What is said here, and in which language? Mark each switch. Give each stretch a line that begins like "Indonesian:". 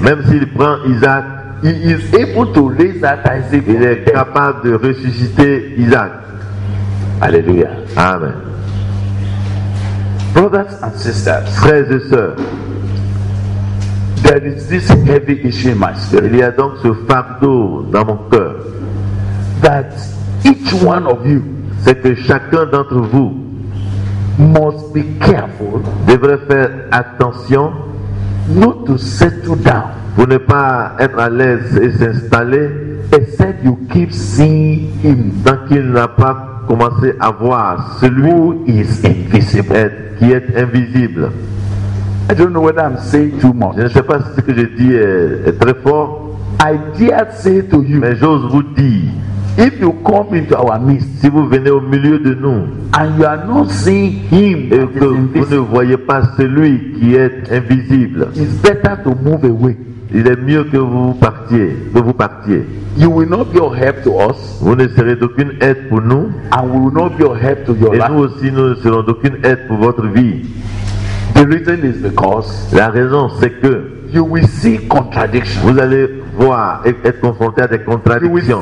French: Même s'il prend Isaac,
English: he is able to raise that Isaac.
French: Il est capable de ressusciter Isaac. Alléluia.
English: Amen. Brothers and sisters,
French: frères et sœurs,
English: there is this heavy issue in my spirit.
French: Il y a donc ce fardeau dans mon cœur.
English: That each one of you,
French: c'est que chacun d'entre vous,
English: must be careful,
French: devrait faire attention,
English: not to settle down,
French: pour ne pas être à l'aise et s'installer,
English: except you keep seeing him,
French: tant qu'il n'a pas commencer à voir celui
English: is invisible.
French: Qui est invisible.
English: I don't know whether I'm saying too much.
French: Je ne sais pas si ce que je dis est très fort.
English: I dare say to you,
French: mais j'ose vous dire,
English: If you come into our midst,
French: si vous venez au milieu de nous,
English: and you are not seeing him,
French: et que vous ne voyez pas celui qui est invisible,
English: it's better to move away.
French: Il est mieux que vous partiez.
English: You will not be of help to us.
French: Vous ne serez d'aucune aide pour nous.
English: And we will not be of help to your life.
French: Et nous aussi, nous ne serons d'aucune aide pour votre vie.
English: The reason is because
French: la raison c'est que
English: you will see contradictions.
French: Vous allez voir être confronté à des contradictions.